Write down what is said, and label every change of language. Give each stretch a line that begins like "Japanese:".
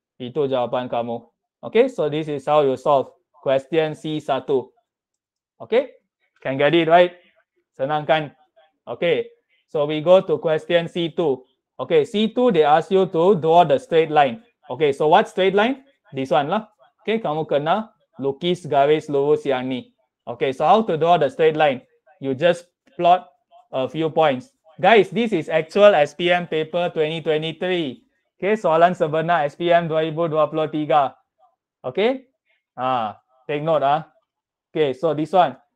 Malay: Itu jawapan kamu.
English: Okay, so this is how you solve question C1. Okay? Can get it, right?
Malay: Senang kan?
English: Okay. So we go to question C2. Okay, C2, they ask you to draw the straight line. Okay, so what straight line? This one lah.
Malay: Okay, kamu kena lukis garis lurus yang ni.
English: Okay, so how to draw the straight line? You just plot a few points. Guys, this is actual SPM paper 2023. Okay,
Malay: soalan sebenar SPM 2023.
English: Okay? Take note ah. Okay, so this one.